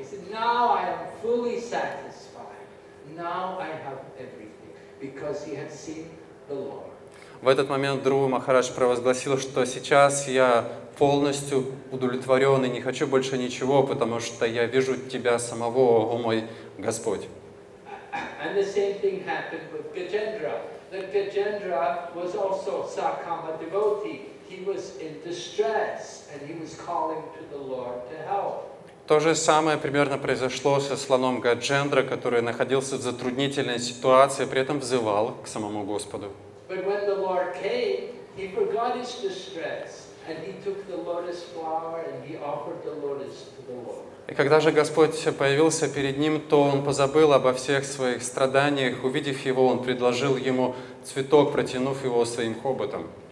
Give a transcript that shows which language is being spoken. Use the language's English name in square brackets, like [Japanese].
[English] Now I am fully satisfied. Now I have everything because he had seen the Lord. [Russian] В этот момент Друва Махарадж провозгласил, что сейчас я полностью удовлетворен и не хочу больше ничего, потому что я вижу тебя самого, о мой Господь. [English] And the same thing happened with Gajendra. That Gajendra was also Sakama devotee. He was in distress and he was calling to the Lord to help. [Russian] То же самое примерно произошло со слоном Гаджендра, который находился в затруднительной ситуации, при этом взывал к самому Господу. [English] But when the Lord came, he forgot his distress and he took the lotus flower and he offered the lotus to the Lord. [Russian] И когда же Господь появился перед ним, то он позабыл обо всех своих страданиях. Увидев его, он предложил ему цветок, протянув его своим хоботом.